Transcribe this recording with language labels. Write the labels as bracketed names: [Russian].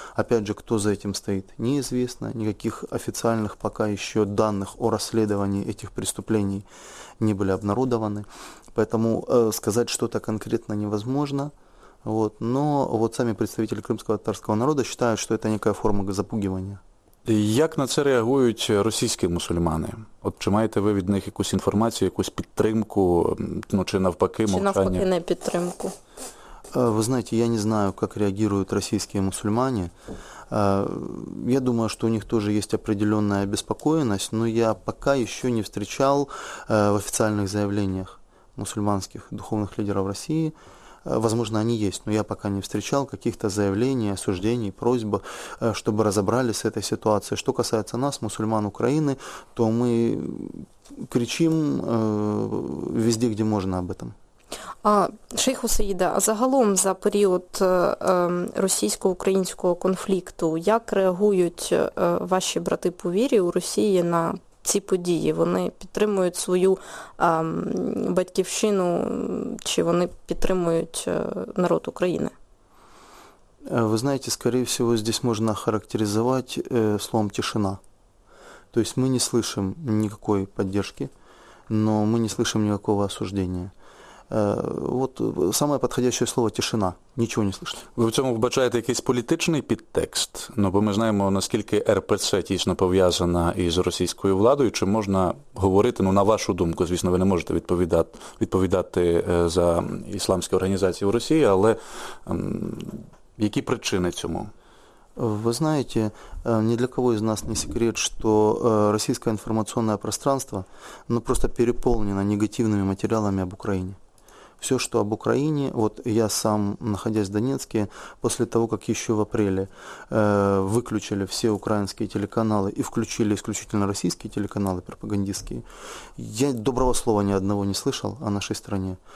[Russian] Опять же, кто за этим стоит, неизвестно. Никаких официальных пока еще данных о расследовании этих преступлений не были обнародованы. Поэтому сказать что-то конкретно невозможно. Вот. Но вот сами представители крымско-татарского народа считают, что это некая форма запугивания. [Ukrainian] Як на це реагують російські мусульмани? От чи маєте ви від них якусь інформацію, якусь підтримку, ну чи навпаки, мовчання? Чи навпаки не підтримку? Ви знаєте, я не знаю, як реагують російські мусульмани. [Russian] Я думаю, что у них тоже есть определенная обеспокоенность, но я пока еще не встречал в официальных заявлениях мусульманских духовных лидеров России. Возможно, они есть, но я пока не встречал каких-то заявлений, осуждений, просьб, чтобы разобрались с этой ситуацией. Что касается нас, мусульман Украины, то мы кричим везде, где можно об этом. [Ukrainian] А, шейху Саїде, а загалом за період російсько-українського конфлікту, як реагують ваші брати по вірі у Росії на ці події? Вони підтримують свою батьківщину, чи вони підтримують народ України? Ви знаєте, скоріше всього, здесь можна характеризувати словом тишина. [Russian] То есть мы не слышим никакой поддержки, но мы не слышим никакого осуждения. Вот самое подходящее слово – тишина. Ничего не слышно. [Ukrainian] Вы в цьому вбачаєте якийсь політичний підтекст? Ну, бо ми знаємо, наскільки РПЦ тісно пов'язана із російською владою. Чи можна говорити, ну, на вашу думку, звісно, ви не можете відповідати за ісламські організації в Росії, але які причини цьому? [Russian] Вы знаете, ни для кого из нас не секрет, что российское информационное пространство, ну, просто переполнено негативными материалами об Украине. Все, что об Украине, вот я сам, находясь в Донецке, после того, как еще в апреле выключили все украинские телеканалы и включили исключительно российские телеканалы пропагандистские, я доброго слова ни одного не слышал о нашей стране.